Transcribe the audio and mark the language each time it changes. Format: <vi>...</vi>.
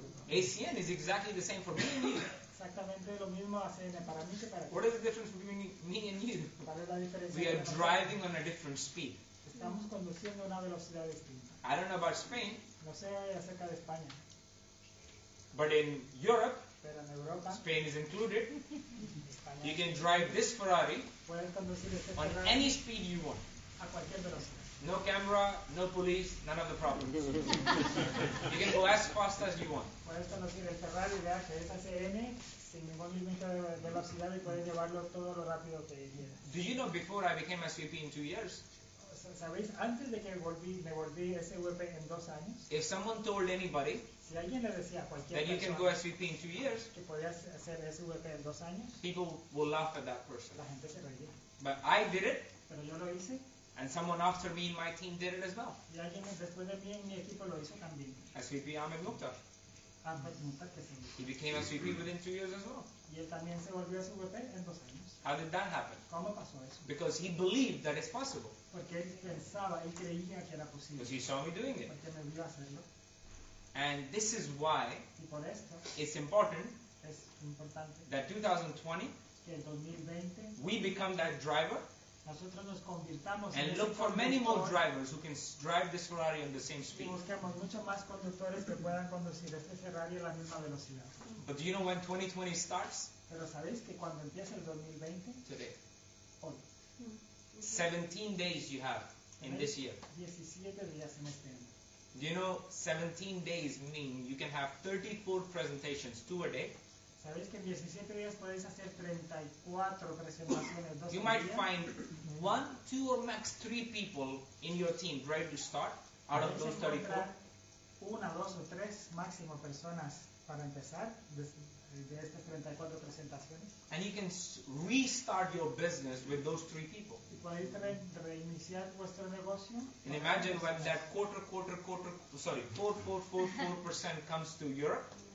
<en>ACN is exactly the same for me and you.</en> <es>Exactamente lo mismo ACN para mí que para ti.</es> <en>What is the difference between me and you?</en> <es>¿Cuál es la diferencia?</es> <en>We are driving on a different speed.</en> <es>Estamos conduciendo a una velocidad distinta.</es> <en>I don't know about Spain.</en> <es>No sé acerca de España.</es> <en>But in Europe,</en> <es>pero en Europa,</es> <en>Spain is included. You can drive this Ferrari,</en> <es>puedes conducir este</es> <en>on</en> <es>Ferrari</es> <en>any speed you want.</en> <es>A cualquier velocidad.</es> <en>No camera, no police, none of the problems. You can go as fast as you want.</en> <es>Puedes conducir el Ferrari de ACN sin ningún límite de velocidad y puedes llevarlo todo lo rápido que quieras.</es> <en>Do you know before I became SVP in 2 years?</en> <es>¿Sabéis? Antes de que me volví SVP en 2 años.</es> <en>If someone told anybody,</en> <es>si alguien le decía a cualquier</es> <en>that</en> <es>persona,</es> <en>you can go SVP in 2 years,</en> <es>que podías hacer SVP en 2 años,</es> <en>people will laugh at that person.</en> <es>La gente se reiría.</es> <en>But I did it.</en> <es>Pero yo lo hice.</es> <en>And someone after me and my team did it as well.</en> <es>Y alguien después de mí en mi equipo lo hizo también.</es> <en>SVP Ahmed Mukhtar.</en> <es>Ahmed Mukhtar, que sí.</es> <en>He became SVP within 2 years as well.</en> <es>Y él también se volvió SVP en 2 años.</es> <en>How did that happen?</en> <es>¿Cómo pasó eso?</es> <en>Because he believed that it's possible.</en> <es>Porque él pensaba, él creía que era posible.</es> <en>Because he saw me doing it.</en> <es>Porque me vio hacerlo.</es> <en>And this is why,</en> <es>y por esto,</es> <en>it's important,</en> <es>es importante,</es> <en>that 2020,</en> <es>que el 2020,</es> <en>we become that driver,</en> <es>nosotros nos convirtamos,</es> <en>and</en> <es>en</es> <en>look for many more drivers who can drive this Ferrari on the same speed.</en> <es>Y busquemos mucho más conductores que puedan conducir este Ferrari a la misma velocidad.</es> <en>But do you know when 2020 starts?</en> <es>Pero sabéis que cuando empieza el 2020,</es> <en>today,</en> <es>hoy,</es> <en>17 days you have in this year.</en> <es>17 días en este año.</es> <en>Do you know 17 days mean you can have 34 presentations, two a day?</en> <es>Sabéis que en 17 días podéis hacer 34 presentaciones.</es> <en>You might find one, two or max three people in your team ready to start out of those 34.</en> <es>Una, dos o tres máximo personas para empezar de estas 34 presentaciones.</es> <en>And you can restart your business with those three people.</en> <es>Y podéis reiniciar vuestro negocio.</es> <en>And imagine when that four percent comes to Europe.</en>